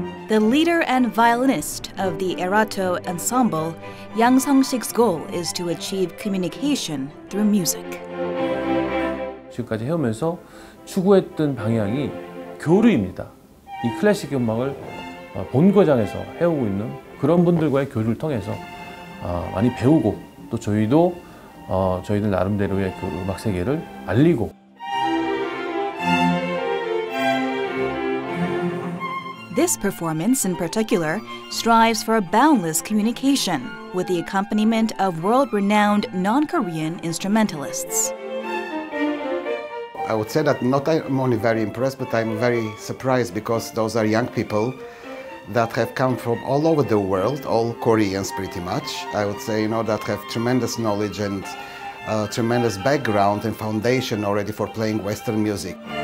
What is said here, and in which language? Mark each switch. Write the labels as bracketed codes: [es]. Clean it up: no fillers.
[en] 리더 and violinist of the Erato Ensemble, Yang Sung-sik's goal is to achieve communication through music. [ko] 지금까지 해오면서 추구했던 방향이 교류입니다. 이 클래식 음악을 본거장에서 해오고 있는 그런 분들과의 교류를 통해서 많이 배우고 또 저희도 저희들 나름대로의 그 음악 세계를 알리고 [en] This performance, in particular, strives for a boundless communication with the accompaniment of world-renowned non-Korean instrumentalists. I would say that not I'm only very impressed, but I'm very surprised because those are young people that have come from all over the world, all Koreans pretty much, I would say, you know, that have tremendous knowledge and tremendous background and foundation already for playing Western music.